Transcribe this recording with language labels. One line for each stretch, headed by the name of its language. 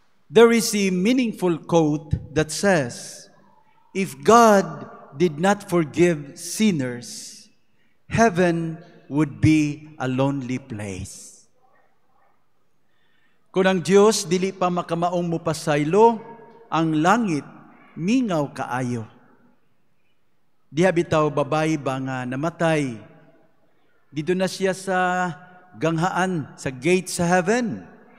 English: There is a meaningful quote that says, "If God did not forgive sinners, heaven would be a lonely place."
Cebuano: Kung ang Diyos dili pa makamaong mupasaylo, ang langit mingaw kaayo. Di habitaw babae ba nga namatay? Dito na siya sa ganghaan, sa gate sa heaven.